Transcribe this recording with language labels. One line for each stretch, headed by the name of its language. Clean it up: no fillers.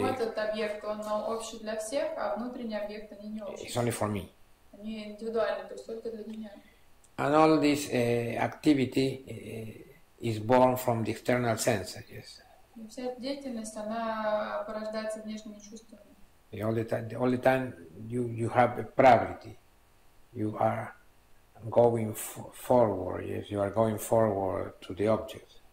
Russian: Этот объект он общий для всех, а внутренний объект они не общие.
English: It's only for me.
Russian: Они индивидуальны, то есть только для меня.
English: And all this activity is born from the external senses. Yes.
Russian: И вся эта деятельность она порождается внешними чувствами.
English: All the time you have a priority. You are going forward, yes, you are going forward to the object.